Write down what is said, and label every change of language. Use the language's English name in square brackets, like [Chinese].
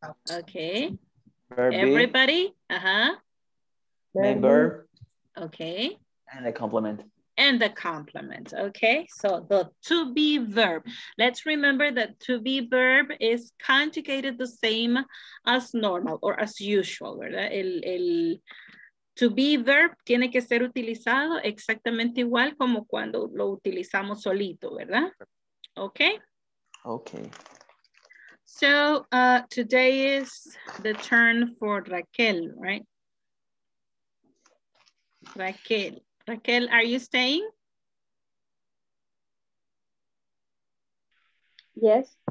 [English] Okay. Verb. Everybody. Uh-huh. Main verb. Okay. And a complement. And a complement. Okay. So the to be verb. Let's remember that to be verb is conjugated the same as normal or as usual, [Spanish] ¿verdad? El to be verb tiene que ser utilizado exactamente igual como cuando lo utilizamos solito, ¿verdad? [English] Okay. Okay. So today is the turn for Raquel, right? Raquel, are you staying? Yes.